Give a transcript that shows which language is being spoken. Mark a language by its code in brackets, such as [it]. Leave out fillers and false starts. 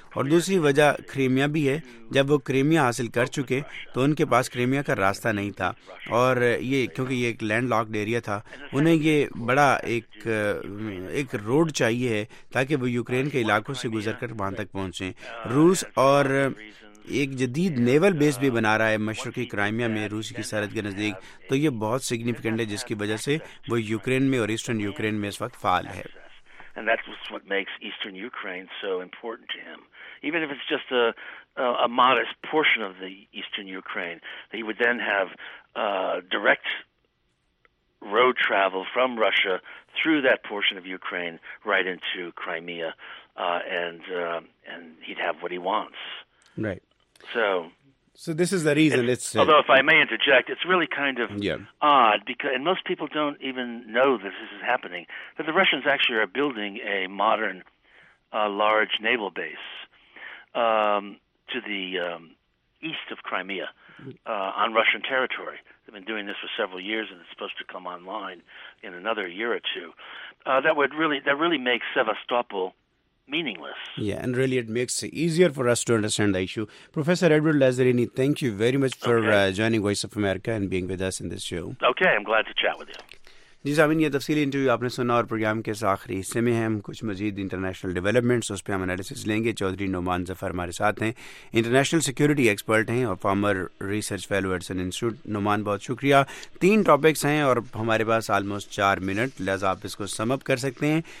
[ur] اور دوسری وجہ کریمیا بھی ہے, جب وہ کریمیا حاصل کر چکے تو ان کے پاس کریمیا کا راستہ نہیں تھا, اور یہ کیونکہ یہ ایک لینڈ لاکڈ ایریا تھا, انہیں یہ بڑا ایک روڈ چاہیے ہے تاکہ وہ یوکرین کے علاقوں سے گزر کر وہاں تک پہنچیں. روس اور ایک جدید نیول بیس بھی بنا رہا ہے مشرقی کرائمیا میں روس کی سرحد کے نزدیک, تو یہ بہت سگنیفیکنٹ ہے, جس کی وجہ سے وہ یوکرین میں اور ایسٹرن یوکرین میں اس وقت فعال ہے. [en] And that's what makes Eastern Ukraine so important to him. Even if it's just a modest portion of the Eastern Ukraine, he would then have direct road travel from Russia through that portion of Ukraine right into Crimea, and he'd have what he wants. Right. So this is the reason. Although if I may interject, it's really kind of odd, because, and most people don't even know that this is happening, that the Russians actually are building a modern, large naval base to the east of Crimea on Russian territory. They've been doing this for several years, and it's supposed to come online in another year or two. That really makes Sevastopol meaningless. Yeah, and really it makes it easier for us to understand the issue. Professor Edward Lazzarini, thank you very much for joining Voice of America and being with us in this show. Okay, I'm glad to chat with you. [ur] جی سامعین, یہ تفصیلی interview آپ نے سنا, اور programme کے اس آخری حصے میں ہم کچھ مزید انٹرنیشنل ڈیولپمنٹس, اس پہ ہم انالیسز لیں گے. چودھری نعمان ظفر ہمارے ساتھ ہیں, انٹرنیشنل سیکیورٹی ایکسپرٹ ہیں اور farmer research fellow AdSense institute. Noman, بہت شکریہ. تین ٹاپکس ہیں اور ہمارے پاس آلموسٹ چار منٹ, لہٰذا آپ اس کو سم اپ کر سکتے ہیں.